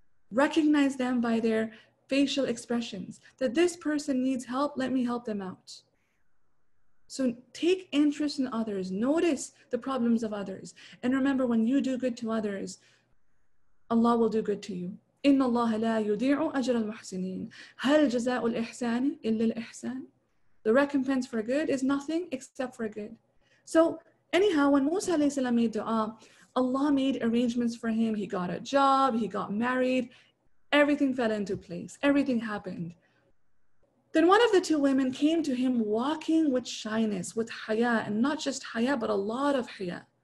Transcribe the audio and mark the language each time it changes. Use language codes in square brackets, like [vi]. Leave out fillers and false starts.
[en] Recognize them by their facial expressions, that this person needs help, let me help them out. So take interest in others, notice the problems of others, and remember, when you do good to others, Allah will do good to you. [ar] إِنَّ اللَّهَ لَا يُضِيعُ أَجْرَ الْمُحْسِنِينَ هَلْ جَزَاءُ الْإِحْسَانِ إِلَّا الْإِحْسَانِ [en] The recompense for good is nothing except for good. So anyhow, when Musa alayhi salam made dua, Allah made arrangements for him. He got a job, he got married, everything fell into place, everything happened. Then one of the two women came to him walking with shyness, with haya, and not just haya, but a lot of haya.